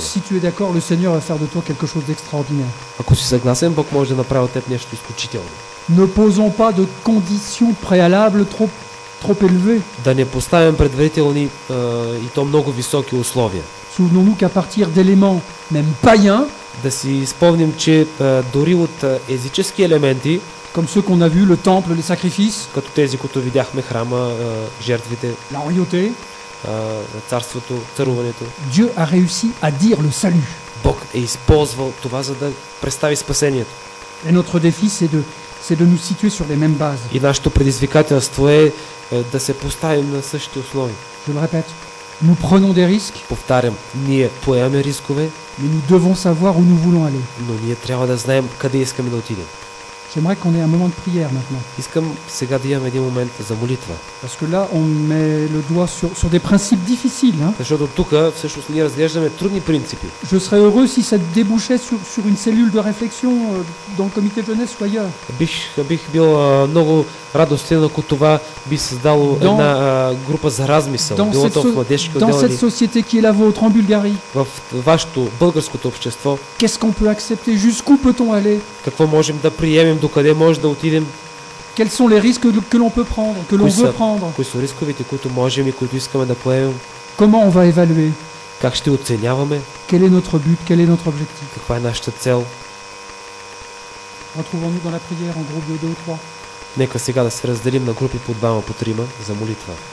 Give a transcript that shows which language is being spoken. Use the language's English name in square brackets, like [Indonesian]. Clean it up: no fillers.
[French] Si tu es d'accord, le Seigneur va faire de toi quelque chose d'extraordinaire. [Bulgarian] Ако си съгласен, Бог може да направи от теб нещо изключително. [French] Ne posons pas de conditions préalables trop élevées. [Bulgarian] Да не поставим предварителни и то много високи условия. [French] Souvenons-nous qu'à partir d'éléments même païens, [Bulgarian] да си спомним, че дори от езически елементи, [French] comme ceux qu'on a vu, le temple, les sacrifices, [Bulgarian] като тези, които видяхме, храма, жертвите, [French] la royauté, [Bulgarian] царството, царуването, [French] Dieu a réussi à dire le salut. [Bulgarian] Бог е използвал това, за да представи спасението. [French] Et notre défi, c'est de nous situer sur les mêmes bases. [Bulgarian] И нашето предизвикателство е да се поставим на същите основи. [French] Je le répète, Nous prenons des risques. [Bulgarian] Повтарям, ние поемаме рискове. [French] Mais nous devons savoir où nous voulons aller. [Bulgarian] Но ние трябва да знаем къде искаме да отидем. [French] J'aimerais qu'on ait un moment de prière maintenant. [Bulgarian] Искам сега да имаме един момент за молитва. [French] Parce que là, on met le doigt sur des principes difficiles. Hein? [Bulgarian] Защото тук всъщност ние разглеждаме трудни принципи. [French] Je serais heureux si ça débouchait sur une cellule de réflexion dans le comité jeunesse ou ailleurs. [Bulgarian] Бих бил много радостен, ако това би създало една група за размисъл. [French] Dans cette société qui est la vôtre en Bulgarie. [Bulgarian] В вашето българското общество. [French] Qu'est-ce qu'on peut accepter? Jusqu'où peut-on aller? [Bulgarian] Какво можем да приемем? Докъде може да отидем? [French] Quels sont les risques que l'on peut prendre, que l'on veut prendre? [Bulgarian] Кои са рисковете, които можем и които искаме да поемем? [French] Comment on va évaluer? [Bulgarian] Как ще оценяваме? [French] Quel est notre but? Quel est notre objectif? [Bulgarian] Каква е нашата цел? [French] Retrouvons-nous dans la prière en groupe de deux ou trois. [Bulgarian] Нека сега да се разделим на групи по двама, по трима за молитва.